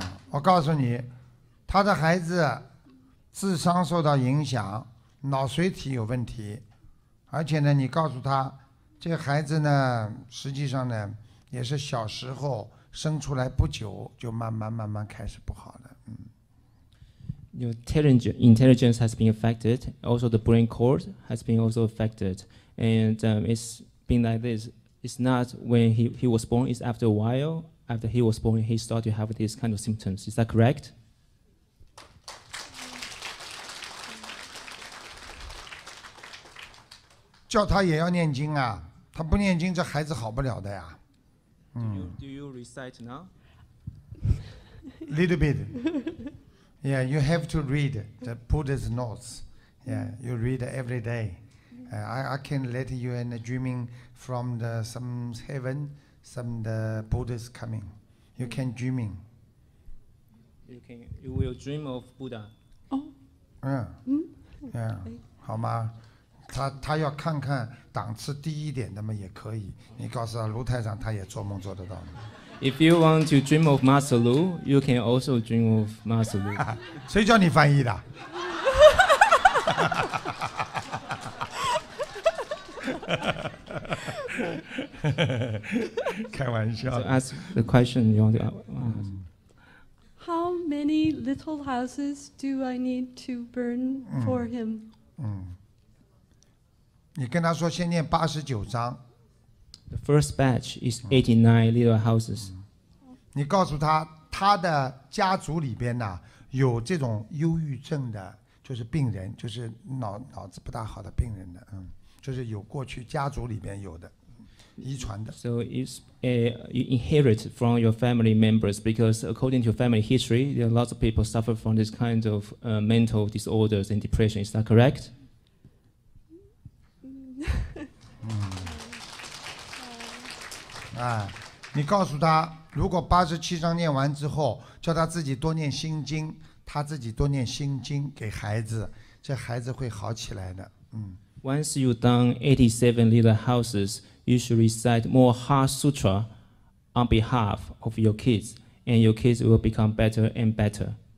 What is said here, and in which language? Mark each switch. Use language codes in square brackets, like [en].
[zh] 我告诉你，他的孩子智商受到影响，脑髓体有问题，而且呢，你告诉他，这孩子呢，实际上呢，也是小时候生出来不久就慢慢开始不好了。 [en] Your intelligence has been affected. Also, the brain cord has been also affected. And it's been like this. It's not when he was born. It's after a while. After he was born, he started to have these kind of symptoms. Is that correct? [zh] 叫他也要念经啊！他不念经，这孩子好不了的呀。 [en] Do you recite now? Little bit. Yeah, you have to read the Buddha's notes. Yeah, you read every day. I can let you in a dreaming from the some heaven, some the Buddha's coming. You can dreaming. You can. You will dream of Buddha. Oh. Yeah. Mm? Yeah. Okay. [zh] 好吗？他要看看档次低一点的嘛也可以。你告诉他卢台长，他也做梦做得到。 [en] If you want to dream of Master Lu, you can also dream of Master Lu. [zh] 谁叫你翻译的？开玩笑。 [en] So ask the question you want to ask. How many little houses do I need to burn for him? [zh] 你跟他说先念89章。 [en] The first batch is 89 little houses. [zh] 你告诉他，他的家族里边呢有这种忧郁症的，就是病人，就是脑子不大好的病人的，就是有过去家族里边有的，遗传的。 [en] So it's you inherit from your family members because according to family history, there are lots of people suffer from this kind of mental disorders and depression. Is that correct? [zh] 你告诉他，如果87章念完之后，叫他自己多念心经，他自己多念心经给孩子，这孩子会好起来的。 [en] Once you've done 87 little houses, you should recite more heart sutra on behalf of your kids, and your kids will become better and better.